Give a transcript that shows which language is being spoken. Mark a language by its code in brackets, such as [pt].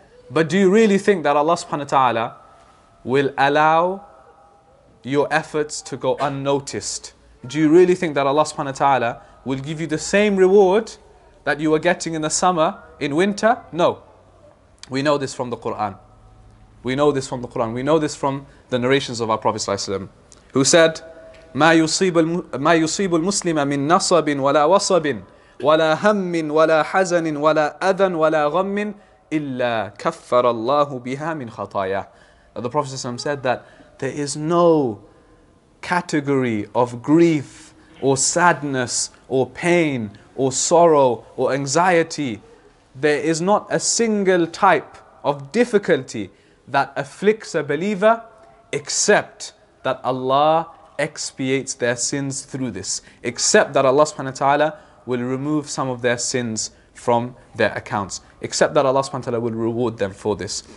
[en] But do you really think that Allah subhanahu wa ta'ala will allow your efforts to go unnoticed? Do you really think that Allah subhanahu wa ta'ala will give you the same reward that you were getting in the summer, in winter? No. We know this from the Qur'an. We know this from the Qur'an. We know this from the narrations of our Prophet sallallahu alaihi wasallam, who said, [ar] مَا يُصِيبُ الْمُسْلِمَ مِنْ نَصَبٍ وَلَا وَصَبٍ وَلَا هَمٍ وَلَا حَزَنٍ وَلَا أَذًا وَلَا غَمٍ إِلَّا كَفَّرَ اللَّهُ بِهَا مِنْ خَطَايَةٍ. [en] The Prophet ﷺ said that there is no category of grief or sadness or pain or sorrow or anxiety. There is not a single type of difficulty that afflicts a believer except that Allah expiates their sins through this, except that Allah subhanahu wa ta'ala will remove some of their sins from their accounts, except that Allah subhanahu wa ta'ala will reward them for this.